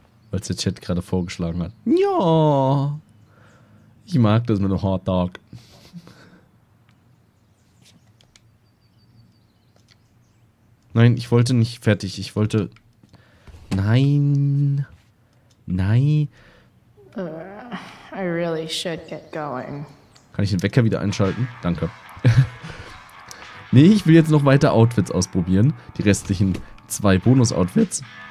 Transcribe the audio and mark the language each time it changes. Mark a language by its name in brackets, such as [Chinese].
[German] Weil es der Chat gerade vorgeschlagen hat. Ja! Ich mag das mit dem Hot Dog. Nein, ich wollte nicht fertig. Ich wollte. Nein. Nein. [English] I really should get going. [German] Kann ich den Wecker wieder einschalten? Danke. Nee, ich will jetzt noch weiter Outfits ausprobieren. Die restlichen zwei Bonus-Outfits.